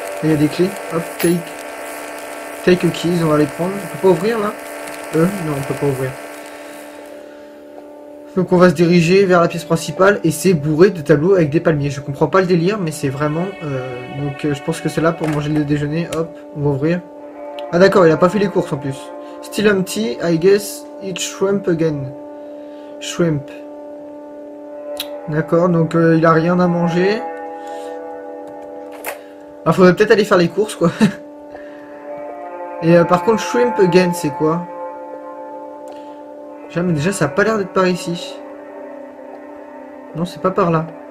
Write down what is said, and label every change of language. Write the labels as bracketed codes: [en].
[fr] Il y a des clés. Hop, [en] take a keys. [fr] On va les prendre. On peut pas ouvrir là. Non, on peut pas ouvrir. Donc on va se diriger vers la pièce principale et c'est bourré de tableaux avec des palmiers. Je comprends pas le délire, mais c'est vraiment. Je pense que c'est là pour manger le déjeuner. Hop, on va ouvrir. Ah d'accord, il a pas fait les courses en plus. [en] Still empty, I guess it's shrimp again. Shrimp. [fr] D'accord, donc il a rien à manger. Il faudrait peut-être aller faire les courses quoi. Et par contre, [en] shrimp again, [fr] c'est quoi? Jamais, déjà ça a pas l'air d'être par ici. Non, c'est pas par là.